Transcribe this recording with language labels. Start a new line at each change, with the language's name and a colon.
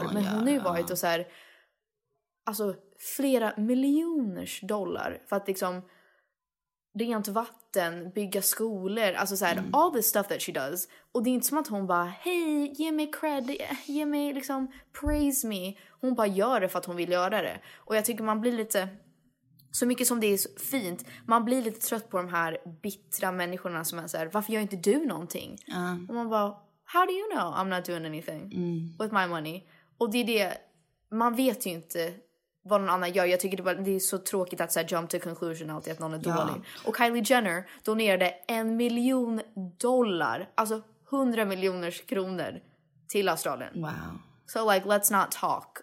Swedish: Oh, men hon har ju varit och så här, alltså flera miljoners dollar för att liksom rent vatten, bygga skolor, alltså så här,
English: all the stuff that she does.
Swedish: Och det är inte som att hon bara, hej, ge mig cred, ge mig liksom,
English: praise me.
Swedish: Hon bara gör det för att hon vill göra det. Och jag tycker man blir lite, så mycket som det är fint, man blir lite trött på de här bittra människorna som är så här, varför gör inte du någonting? Och man bara,
English: how do you know I'm not doing anything with my money?
Swedish: Och det är det, man vet ju inte vad någon annan gör. Jag tycker det är så tråkigt att så här,
English: jump to conclusion
Swedish: alltid, att någon är dålig. Och Kylie Jenner donerade $1 million, alltså 100 miljoner kronor till Australien.
English: Wow. So like, let's not talk.